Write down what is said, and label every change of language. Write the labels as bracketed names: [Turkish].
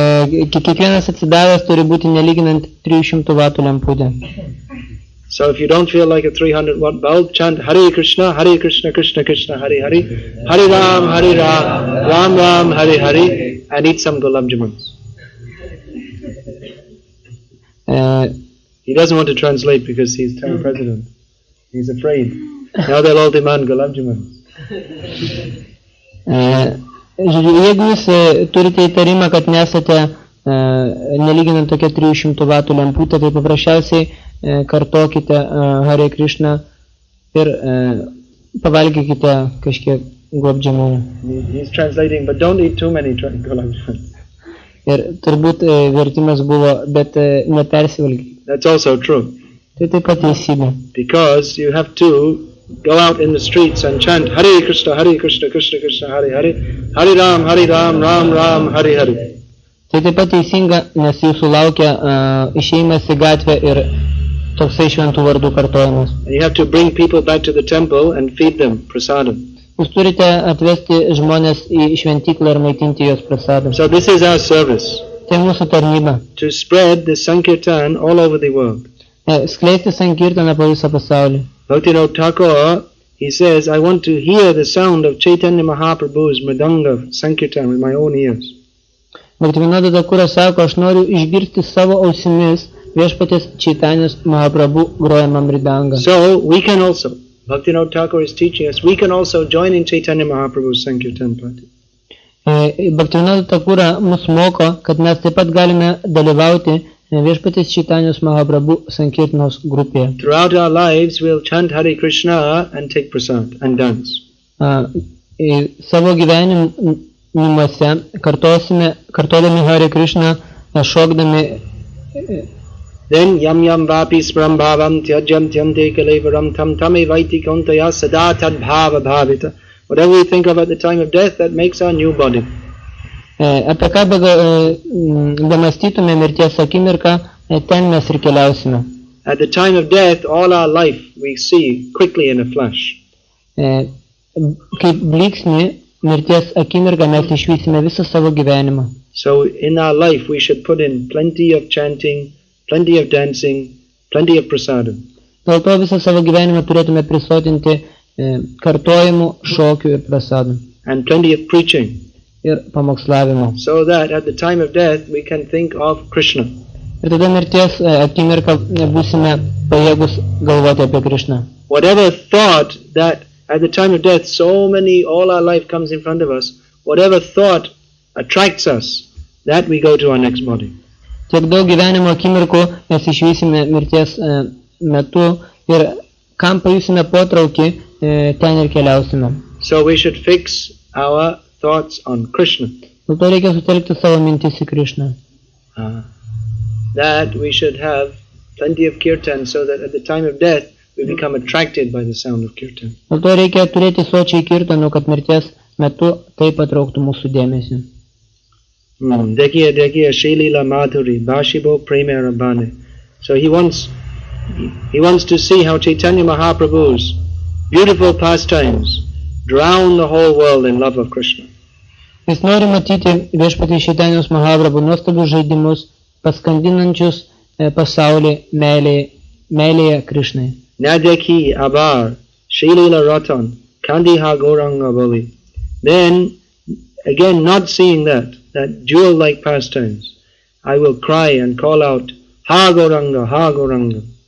[Lithuanian] Kiekvienas atsidavęs turi būti nelyginant 300 watų lemputė. [English] So if you don't feel like a 300 watt bulb, chant Hare Krishna, Hare Krishna, Krishna Krishna, Hare Hare, Hare Ram, Hare Ram, Ram Ram, Hare Hare, and eat some gulab jamuns. He doesn't want to translate because he's town president. He's afraid. Now they'll all demand gulab jamuns. [Lithuanian] Jeigu jūs turite įtarimą, kad nesate nelyginant tokia 300 vatų lemputė, tai paprasčiausiai kartokite Hare Krishna ir pavalgykite kažkiek gulab jamunų. [English] He's translating, but don't eat too many gulab jamuns. [Lithuanian] Ir turbūt vertimas buvo, bet nepersivalgyti. [English] That's also true. [Lithuanian] Tai taip pat teisybė. [English] Because you have to go out in the streets and chant Hare Krishna, Hare Krishna, Krishna Krishna, Hare Hare, Hare Ram, Hare Ram, Ram Ram, Hare Hare. [Lithuanian] Tai taip pat teisinga, nes jūsų laukia išėjimas į gatvę ir toksai šventų vardų kartojimas. [English] And you have to bring people back to the temple and feed them prasadam. [Lithuanian] Jūs turite atvesti žmonės į šventyklą ir maitinti jos prasadam. [English] So this is our service. [Lithuanian] Tai mūsų tarnyba. [English] To spread the Sankirtan all over the world. [Lithuanian] Skleisti Sankirtaną po visą pasaulį. [English] Bhaktivinoda Thakur, he says, I want to hear the sound of Chaitanya Mahaprabhu's Mridanga Sankirtan with my own ears. [Lithuanian] Bhaktivinoda Thakur sako, aš noriu išgirsti savo ausimis viešpatės Chaitanyas Mahaprabhu grojama Mridanga. [English] So we can also. Bhaktivinoda Thakur is teaching us, we can also join in Chaitanya Mahaprabhu's Sankirtan party. [Lithuanian] Bhaktivinoda Thakur mus moko, kad mes taip pat galime dalyvauti viešpatės Chaitanyas Mahaprabhu Sankirtanos grupėje. [English] Throughout our lives we'll chant Hare Krishna and take prasad and dance. [Lithuanian] Savo gyvenimuose kartosime, kartodami Hare Krishna, šokdami. [Sanskrit] Then yam yam vapi sparam bhavam tyajyam tyam dekalevaram tam tame vaiti kontaya sada tad bhava bhavita. [English] Whatever we think of at the time of death, that makes our new body. [Lithuanian] Apie ką bemastytume mirties akimirką, ten mes ir keliausime. [English] At the time of death, all our life we see quickly in a flash. [Lithuanian] Kaip blyksnį mirties akimirką mes išvysime visą savo gyvenimą. [English] So in our life we should put in plenty of chanting, plenty of dancing, plenty of prasadam. [Lithuanian] Dėl to visą savo gyvenimą turėtume prisotinti kartojimu, šokiu ir prasadam. [English] And plenty of preaching. [Lithuanian] Ir pamokslavimu. [English] So that at the time of death we can think of Krishna. [Lithuanian] Ir tada mirties akimirką būsime pajėgus galvoti apie Krishna. [English] Whatever thought that at the time of death so many all our life comes in front of us, whatever thought attracts us, that we go to our next body. [Lithuanian] Tiek daug gyvenimo akimirkų mes išvysime mirties metu ir kam pajusime potraukį, ten ir keliausime. [English] So we should fix our thoughts on Krishna. [Lithuanian] Dėl to reikia sutelkti savo mintis į Krishna. [English] That we should have plenty of kirtan so that at the time of death we become attracted by the sound of kirtan. [Lithuanian] Dėl to reikia turėti sočiai kirtanų, kad mirties metu tai patrauktų mūsų dėmesį. [Bangla] Degia degia shilila madhuri bashibo premera bane. [English] So he wants to see how Chaitanya Mahaprabhu's beautiful pastimes drown the whole world in love of Krishna. [Lithuanian] Jis nori matyti viešpatį Chaitanya Mahaprabhu nuostabius žaidimus, paskandinančius pasaulį meilėje Krishnai. [Bangla] Nadeki abar shilila raton kandiha goranga bali. [English] Then again, not seeing that jewel-like pastimes, I will cry and call out, Ha Goranga, Ha Goranga.